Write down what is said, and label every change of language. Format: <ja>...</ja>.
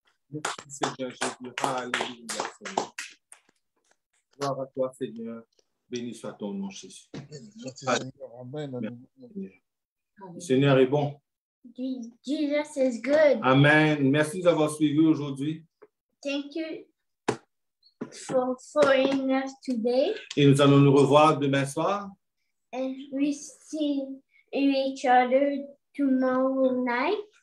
<fr>Merci, Seigneur Jésus, alléluia, Seigneur. Gloire à toi, Seigneur. Béni soit ton nom, Jésus. Amen. Seigneur est bon.</fr> <en>Jesus is good. Amen.</en> <fr>Merci d'avoir suivi aujourd'hui.</fr> <en>Thank you for following us today.</en> <fr>Et nous allons nous revoir demain soir.</fr> <en>And we see each other tomorrow night.</en>